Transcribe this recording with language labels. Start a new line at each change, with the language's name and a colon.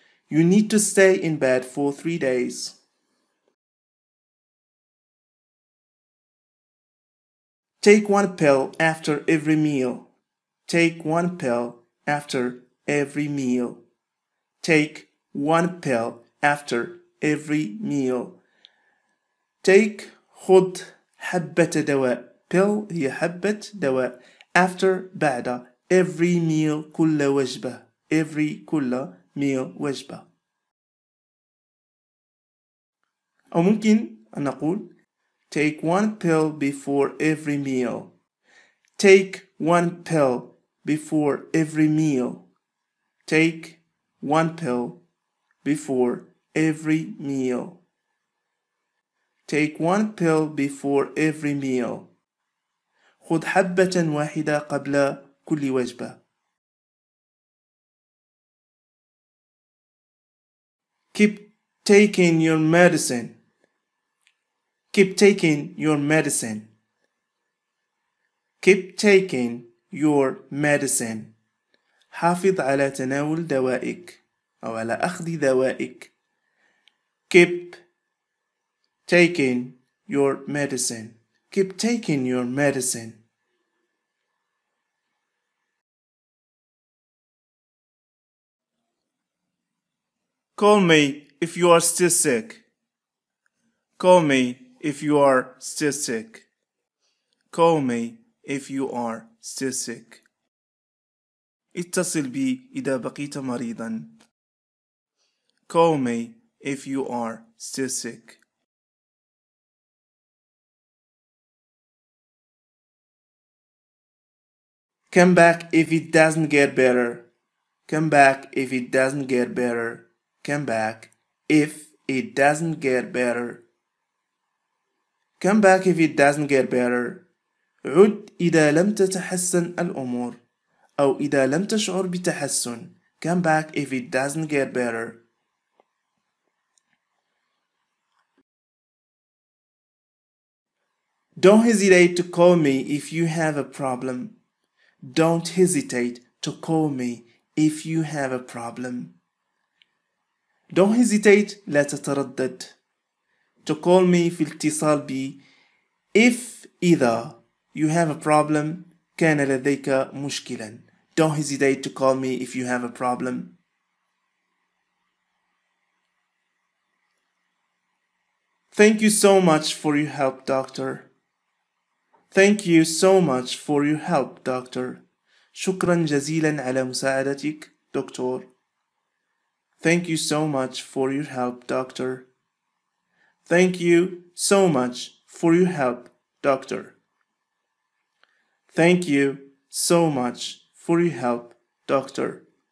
English: You need to stay in bed for 3 days. Take one pill after every meal. Take one pill after every meal. Take one pill after every meal.
Arabic: Take خذ حبة دواء. Pill هي حبة دواء.
English: After بعد every meal كل وجبة. Every كل meal وجبة.
Arabic: أو ممكن أن نقول
English: take one pill before every meal. Take one pill before every meal. Take one pill before every meal. Take one pill before every meal.
Arabic: خذ حبة واحدة قبل كل وجبة.
English: Keep taking your medicine. Keep taking your medicine. Keep taking your medicine.
Arabic: حافظ على تناول دوائك أو على أخذ دوائك.
English: Keep taking your medicine. Keep taking your medicine. Call me if you are still sick. Call me if you are still sick. Call me if you are still sick.
Arabic: اتصل بي إذا بقيت مريضا.
English: Call me if you are still sick. Come back if it doesn't get better. Come back if it doesn't get better. Come back if it doesn't get better. Come back if it doesn't get better.
Arabic: عد إذا لم تتحسن الأمور أو إذا لم تشعر بتحسن.
English: Come back if it doesn't get better. Don't hesitate to call me if you have a problem. Don't hesitate to call me if you have a problem. Don't hesitate,
Arabic: لا تتردد.
English: To call me
Arabic: في الاتصال بي
English: if إذا you have a problem
Arabic: كان لديك مشكلا.
English: Don't hesitate to call me if you have a problem. Thank you so much for your help, doctor. Thank you so much for your help, doctor.
Arabic: شكرا جزيلا على مساعدتك دكتور.
English: Thank you so much for your help, doctor. Thank you so much for your help, doctor. Thank you so much for your help, doctor.